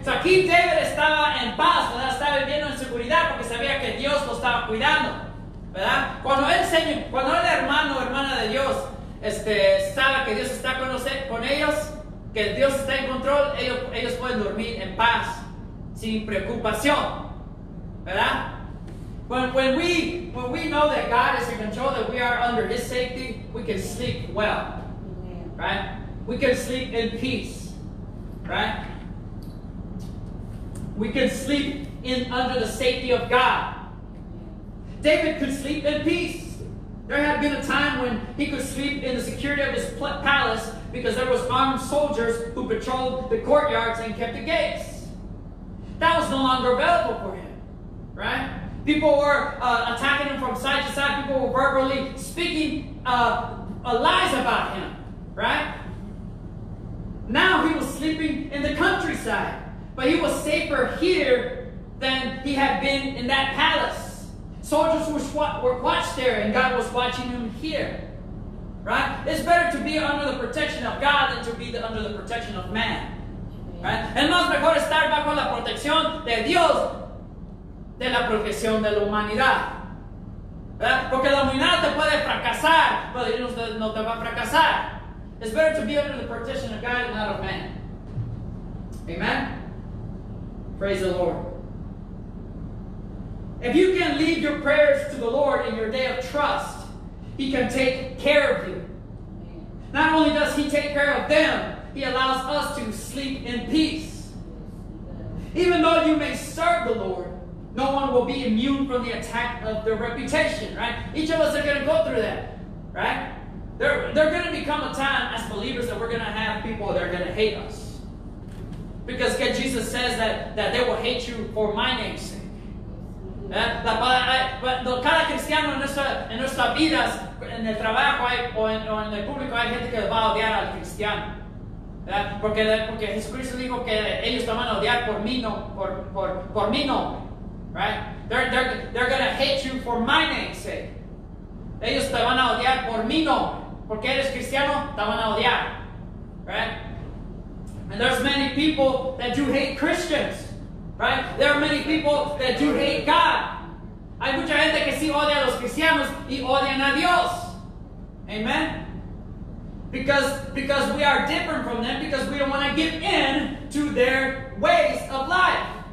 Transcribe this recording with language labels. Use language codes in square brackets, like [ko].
[es] So aquí David estaba en paz, ¿verdad? Estaba viviendo en seguridad porque sabía que Dios lo estaba cuidando, ¿verdad? Cuando el Señor, cuando el hermano o hermana de Dios sabe que Dios está con ellos, que Dios está en control, ellos pueden dormir en paz, sin preocupación, ¿verdad? [en] When we know that God is in control, that we are under His safety, we can sleep well, right? We can sleep in peace, right? We can sleep in under the safety of God. David could sleep in peace. There had been a time when he could sleep in the security of his palace because there was armed soldiers who patrolled the courtyards and kept the gates. That was no longer available for him, right? People were attacking him from side to side. People were verbally speaking lies about him, right? Now he was sleeping in the countryside, but he was safer here than he had been in that palace. Soldiers were watched there, and God was watching him here, right? It's better to be under the protection of God than to be under the protection of man, right? [es] Es más mejor estar bajo la protección de Dios de la profesión de la humanidad, ¿verdad? Porque la humanidad te puede fracasar, pero Dios no te va a fracasar. [en] It's better to be under the protection of God and not of man. Amen. Praise the Lord. If you can lead your prayers to the Lord in your day of trust, He can take care of you. Not only does He take care of them, He allows us to sleep in peace. Even though you may serve the Lord, no one will be immune from the attack of their reputation, right? Each of us are going to go through that, right? There are going to become a time as believers that we're going to have people that are going to hate us. Because again, Jesus says that they will hate you for my name's sake. [es] Cada cristiano en nuestras vidas, en el trabajo o en el público, hay gente que va a odiar al cristiano. Porque Jesucristo dijo que ellos te van a odiar por mi nombre. [en] Right? They're going to hate you for my name's sake. [es] Ellos te van a odiar por mi nombre. Porque eres cristiano, te van a odiar. [en] Right? And there's many people that do hate Christians. Right? There are many people that do hate God. [es] Hay mucha gente que sí odia a los cristianos y odian a Dios. [en] Amen? Because we are different from them, because we don't want to give in to their ways of life.